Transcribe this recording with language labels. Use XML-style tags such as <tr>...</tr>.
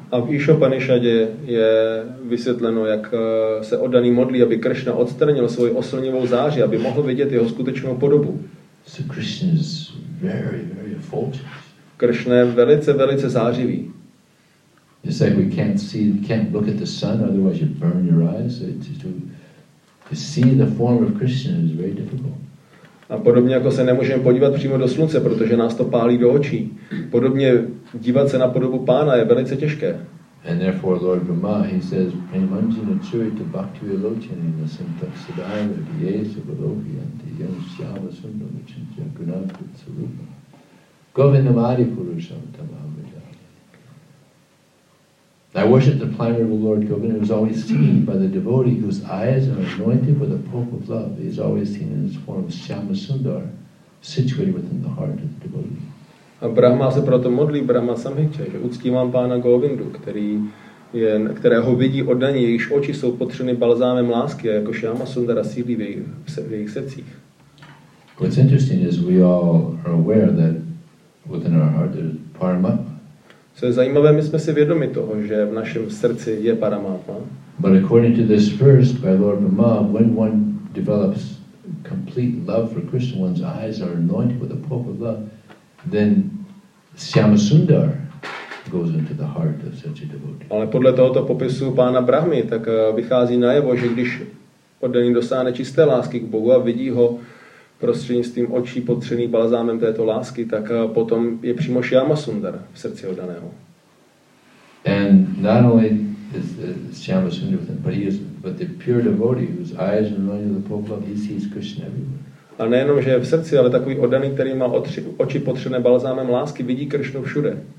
<cs>A v Ishopanishadě je vysvětleno, jak se oddaný modlí, aby Krishna odstranil svoji oslnivou záři, aby mohl vidět jeho skutečnou podobu.</cs> <en>So Krishna is very, very effulgent.</en> <cs>Krishna je velice, velice zářivý.</cs> <en>It's like we can't look at the sun, otherwise you burn your eyes. To see the form of Krishna is very difficult.</en> <cs>A podobně jako se nemůžeme podívat přímo do slunce, protože nás to pálí do očí. Podobně dívat se na podobu pána je velice těžké.</cs> <en>And therefore Lord Brahma, he says,</en> <sa>Premanjana Churita Bhakti Vilochani Nasanta Siddhaya Vyesa Vilohi Ante Yom Shyama Sundar Vichintya Gunatva Tsarupa Govinda Madhi Purusham Tamavajana.</sa> <en>I worship the plenary Lord Govinda, who is always seen by the devotee whose eyes are anointed with the pulp of love. He is always seen in his form of Shyama Sundar, situated within the heart of the devotee.</en> <cs>A Brahma se proto modlí, Brahma Samhita, že uctívám pána Govindu, kterého vidí oddaní, jejichž oči jsou potřeny balzámem lásky, a jako Shyama Sundara sílí v jejich srdcích.</cs> <en>What's interesting is we all are aware that within our heart there's Paramatma.</en> <cs>Co je zajímavé, my jsme si vědomi toho, že v našem srdci je Paramatma.</cs> <en>But according to this verse by Lord Brahma, when one develops complete love for Krishna, one's eyes are anointed with the pulp of love, then Shyama Sundar goes into the heart of such a devotee.</en> <cs>Ale podle tohoto popisu pána Brahmy, tak vychází najevo, že když oddaný dosáhne čisté lásky k Bohu a vidí ho prostřednictvím očí potřených balzámem této lásky, tak potom je přímo Shyama Sundar v srdci oddaného.</cs> <en>And not only is Shyama Sundar with him, but the pure devotee whose eyes are anointed with the pulp of love, he sees Krishna everywhere.</en> <cs>A nejenom, že je v srdci, ale takový oddaný, který má oči potřené balzámem lásky, vidí Krishnu všude.</cs>